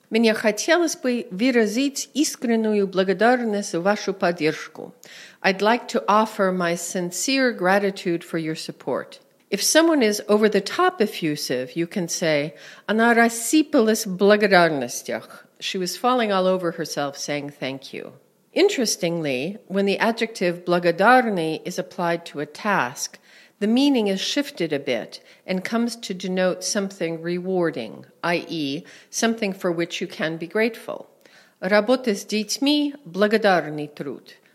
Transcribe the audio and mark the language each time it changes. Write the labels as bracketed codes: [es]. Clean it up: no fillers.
[ru] Мне хотелось бы выразить искреннюю благодарность за вашу поддержку. [en] I'd like to offer my sincere gratitude for your support. If someone is over-the-top effusive, you can say, [ru] «Она рассыпалась в благодарностях». [en] She was falling all over herself saying thank you. Interestingly, when the adjective «благодарный» is applied to a task, the meaning is shifted a bit and comes to denote something rewarding, i.e., something for which you can be grateful. [ru] «Работа с детьми – благодарный труд».